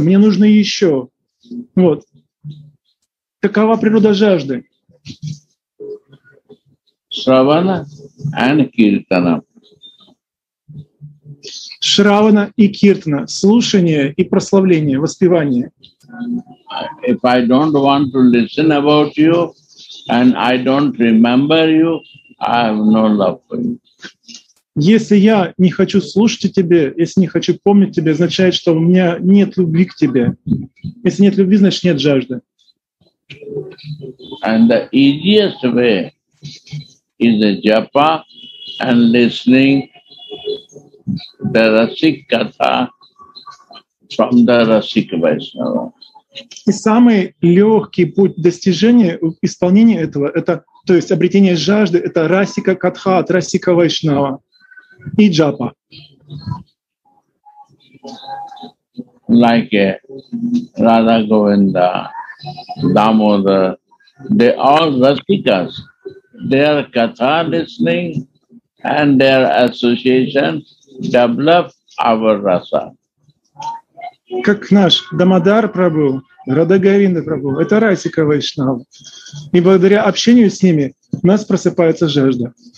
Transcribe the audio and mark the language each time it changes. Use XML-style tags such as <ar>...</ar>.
<ru>Мне нужно еще. Вот. Такова природа жажды.</ru> <en>Шравана and киртана.</en> <ru>Шравана и киртана. Слушание и прославление, воспевание.</ru> <en>If I don't want to listen about you, and I don't remember you, I have no love for you.</en> <ru>Если я не хочу слушать о тебе, если не хочу помнить тебя, означает, что у меня нет любви к тебе. Если нет любви, значит нет жажды.</ru> <en>And the easiest way is a japa and listening the rasik katha from the rasik Vaishnava.</en> <ru>И самый легкий путь достижения исполнения этого, это, то есть обретение жажды, это расика катха от расика вайшнава и джапа.</ru> <en>Like Radha Govinda, Damodar, they all rasikas, their katha listening and their association develop our rasa.</en> <ru>Как наш Дамодар Прабху, Радха Говинда Прабху, это расика вайшнава. И благодаря общению с ними у нас просыпается жажда.</ru>